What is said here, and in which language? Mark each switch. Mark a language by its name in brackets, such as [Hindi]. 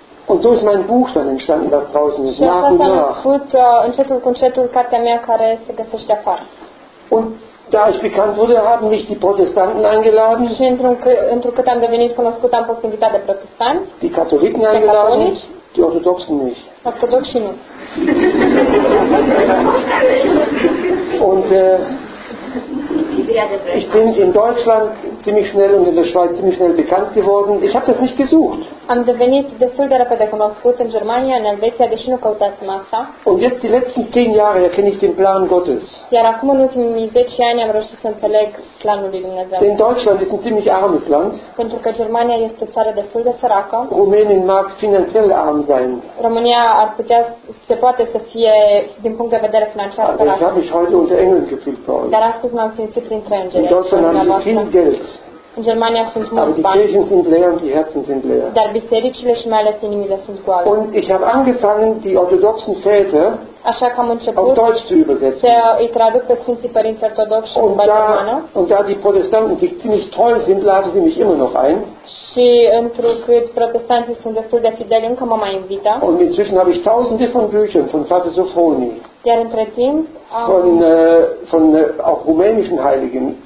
[German] Und so ist mein Buch dann entstanden, das draußen ist, nach und nach. [Romanian] Und încetul cu încetul cartea mea care se găsește afară. [German] Und da ich bekannt wurde, haben mich die Protestanten eingeladen. [Romanian] Și întrucât am devenit cunoscut, am fost invitat de protestanți. [German] Die Katholiken eingeladen, die Orthodoxen nicht. [Romanian] Orthodoxii nu. [German] Und ich bin in Deutschland ziemlich schnell und in der Schweiz ziemlich schnell bekannt geworden. Ich habe das nicht gesucht. [Romanian] Am devenit destul de repede cunoscut în Germania, în Elveția, deși nu căutasem asta. [German] Und jetzt die letzten 10 Jahre erkenne ich den Plan Gottes. [Romanian] Iar acum în ultimii 10 ani am reușit să înțeleg planul lui Dumnezeu. [German] In Deutschland ist ein ziemlich armes Land. [Romanian] Pentru că Germania este o țară destul de săracă. [German] Rumänien mag finanziell arm sein. [Romanian] România ar putea, se poate să fie din punct de vedere financiar săracă. [German] Aber ich habe mich heute unter Engeln gefühlt bei euch. [Romanian] Dar astăzi m-am simțit printre îngeri. [German] In Deutschland haben sie viel Geld. [Romanian] În Germania sunt mulți bani. [German] Aber die Kirchen sind leer und die Herzen sind leer. [Romanian] Dar bisericile și mai ales inimile sunt goale. [German] Und ich habe angefangen, die orthodoxen Väter [Romanian] așa că am început [German] auf Deutsch zu übersetzen. [Romanian] Să îi traduc pe Sfinții Părinți Ortodoxi în limba germană. [German] Und da die Protestanten sich ziemlich treu sind, laden sie mich immer noch ein. [Romanian] Și întrucât protestanții sunt destul de fideli, încă mă mai invită. [German] Und inzwischen habe ich tausende von Büchern von Vater Sofroni. [Romanian] Iar între timp [German] von auch rumänischen Heiligen.